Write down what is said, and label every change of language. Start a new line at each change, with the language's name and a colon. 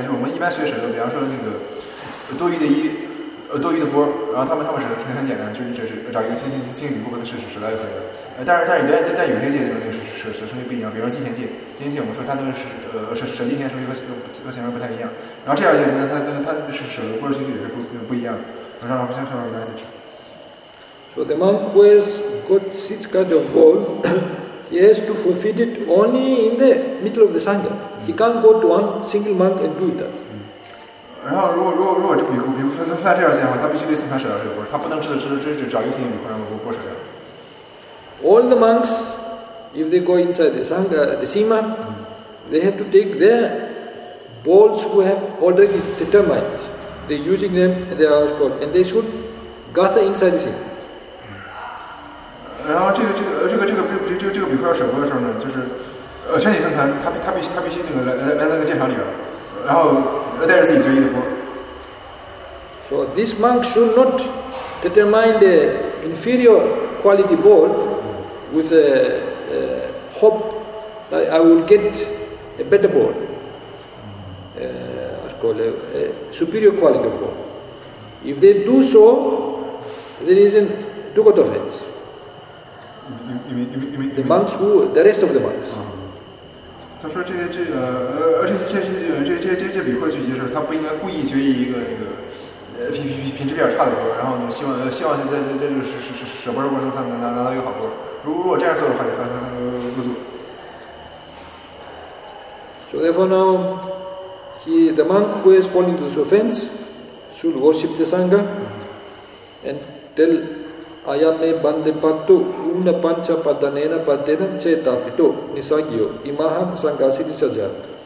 Chinese: 就是我们一般学舍的，比方说那个多余的衣，多余的钵，然后他们舍很简单，就是只是找一个清理钵的舍来就可以了。但有些戒那个程序不一样，比如说金钱戒，金钱我们说它那个舍金钱程序和前面不太一样。然后这条戒呢，它舍的钵程序也是不一样的。然后下面给大家解释。
English: So the monk who has got six kinds of bowl, he has to forfeit it only in the middle of the sangha. He can't go to one single monk and do that.
Chinese: 然后如果这个比库犯这样戒的话，他必须得先开始舍掉，他不能只找一天比库然后不舍掉。
English: All the monks, if they go inside the sangha, the sima, they have to take their bowls who have already determined. They're using them, they are called, and they should gather inside the sima.
Chinese: 然后这个比库要舍钵的时候呢，就是全体僧团他必须那个来那个戒场里边，然后带着自己随意的钵。
English: So this monk should not determine the inferior quality bowl with a hope that I will get a better bowl, what's called a superior quality bowl. If they do so, there is a dukkha offense. You mean, the monks who, the rest of the monks.
Chinese: 他说这比库聚集的时候，他不应该故意聚集一个那个品质比较差的钵，然后呢希望在这个舍钵的过程中，他能拿到一个好钵。如果这样做的话，就犯恶作。
English: So therefore now, the monk who is falling into this offense should worship the sangha and tell
Pali: Ayame bande patu umna pancha padanena padena cheta pito nisagyo imaham sangasi disajat.